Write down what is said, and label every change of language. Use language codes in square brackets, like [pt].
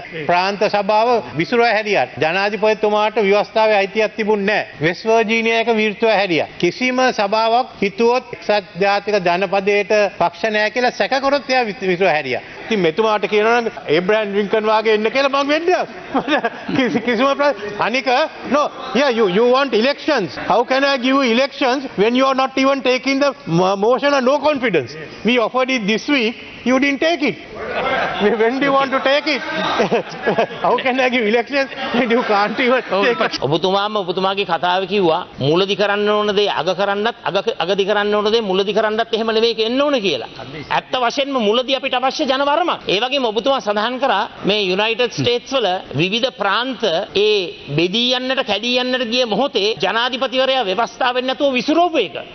[si] ප්‍රාන්ත සභාව විසිරුව හැරියා ජනාධිපතිතුමාට ව්‍යවස්ථාවේ අයිතියක් තිබුණ නැහැ වෙස් වර්ජීනියා එක විරුද්ධව හැරියා කිසිම සභාවක් හිතුවොත් එක්සත් ජාතික ජනපදයට පක්ෂ නැහැ කියලා සැක කරොත් එයා විසිරුව හැරියා ඉතින් මෙතුමාට කියනවා නම් ඒබ්‍රහම් ලින්කන් වාගේ එන්න කියලා මම වෙන්නේ Anika, [en] no, yeah, you want elections. How can I give you elections when you are not even taking the motion of no confidence? We offered it this week, you didn't take it. When do you want to take it? How can I give elections when you can't even take it? [si] ඔබතුමාගේ කතාව කිව්වා මුලදි කරන්න ඕන දේ අග කරන්නත් අගදි කරන්න ඕන දේ මුලදි කරන්නත් එහෙම නෙවෙයි කියන්න ඕන කියලා. ඇත්ත වශයෙන්ම මුලදි අපිට අවශ්‍ය ජනවර්මක්. ඒ වගේම ඔබතුමා සඳහන් කරා මේ යුනයිටඩ් ස්ටේට්ස් වල විවිධ ප්‍රාන්ත ඒ බෙදී යන්නට කැඩී යන්නට ගිය මොහොතේ ජනාධිපතිවරයා ව්‍යවස්ථා වෙන්නේ නැතුව විසිරෝපු එක.